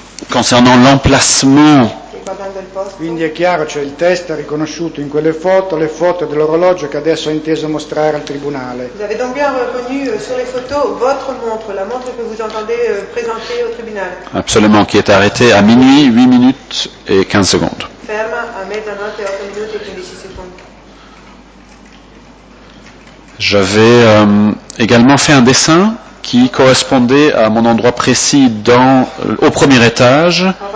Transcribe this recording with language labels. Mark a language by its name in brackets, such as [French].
[French] concernant l'emplacement. [Italian] Quindi è chiaro, cioè il test ha riconosciuto in quelle foto le foto dell'orologio che adesso ha inteso mostrare al tribunale. [French] Vous avez donc bien reconnu sur les photos votre montre, la montre que vous entendez présenter au tribunal. Absolument, qui est arrêtée à minuit, 8 minutes et 15 secondes. Ferme à [Italian] mezzanotte, [French] 8 minutes et 15 secondes. J'avais également fait un dessin qui correspondait à mon endroit précis dans, au premier étage.